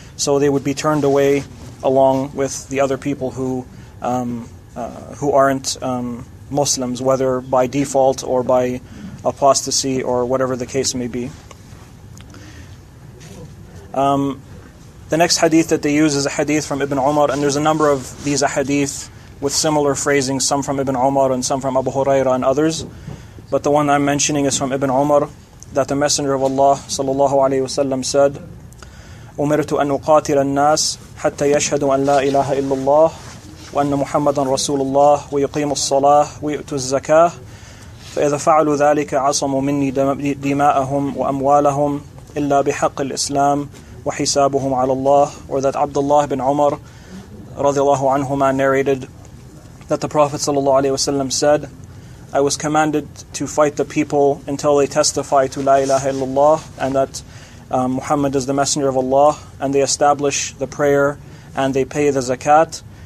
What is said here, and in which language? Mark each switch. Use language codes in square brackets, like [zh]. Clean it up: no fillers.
[en] So they would be turned away along with the other people who aren't Muslims, whether by default or by apostasy or whatever the case may be. The next hadith that they use is a hadith from Ibn Umar, and there's a number of these hadith with similar phrasing, some from Ibn Umar and some from Abu Huraira and others. But the one I'm mentioning is from Ibn Umar, that the Messenger of Allah sallallahu alayhi wa sallam said, [ar] أمرت أن أقاتل الناس حتى يشهدوا أن لا إله إلا الله وأن محمدا رسول الله ويقيم الصلاة ويؤتوا الزكاة فإذا فعلوا ذلك عصموا مني دماءهم وأموالهم إلا بحق الإسلام وحسابهم على الله. [en] Or that Abdullah bin Umar رضي الله عنهما narrated that the Prophet صلى الله عليه وسلم said, I was commanded to fight the people until they testify to لا إله إلا الله, and that Muhammad is the Messenger of Allah, and they establish the prayer and they pay the zakat.